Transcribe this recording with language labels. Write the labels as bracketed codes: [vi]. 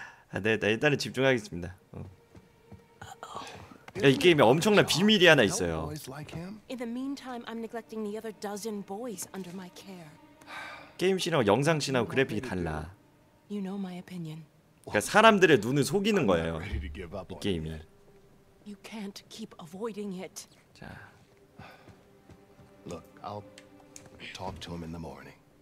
[ko] 아, 네, 네 일단은 집중하겠습니다. 야, 이 게임에 엄청난 비밀이 하나 있어요. [en] In the meantime, I'm neglecting the other dozen boys under my care. [ko] 게임씬하고 영상씬하고 그래픽이 달라. [en] You know my opinion. [ko] 그러니까 사람들의 눈을 속이는 거예요. 이 게임이. [en] You can't keep avoiding it. [ko] 자. [en] Look, I'll talk to him in the morning.